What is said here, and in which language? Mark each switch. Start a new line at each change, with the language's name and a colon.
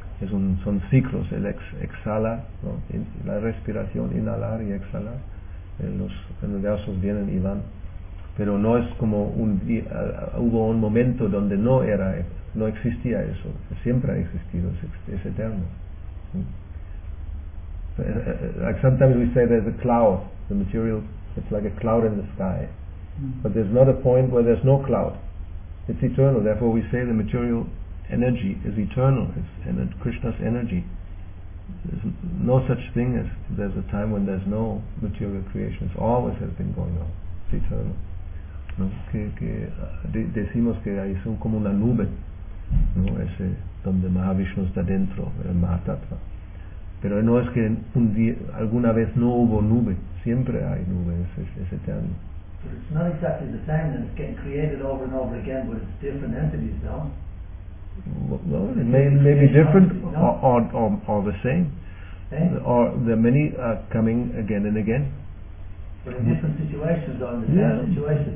Spanish: Son ciclos, él exhala, ¿no?, la respiración, inhalar y exhalar. Los universos vienen y van. Pero no es como hubo un momento donde no era eterno. No existía eso, siempre ha existido, es eterno.
English: Like sometimes we say there's a cloud, the material, it's like a cloud in the sky. But there's not a point where there's no cloud. It's eternal, therefore we say the material energy is eternal, it's Krishna's energy. There's no such thing as there's a time when there's no material creation, it's always has been going on, it's eternal.
Spanish: No? Decimos que hay como una nube. No, ese donde Mahavishnu está dentro, el Mahatattva. Pero no es que un día, alguna vez no hubo nube, siempre hay nubes, es eterno.
English: But it's not exactly the same, then. It's getting created over and over again, but it's different entities, though. No? Well, it may be different, you know? or the same. Eh? Or the many are coming again and again. But in different situations, though, in the same situation.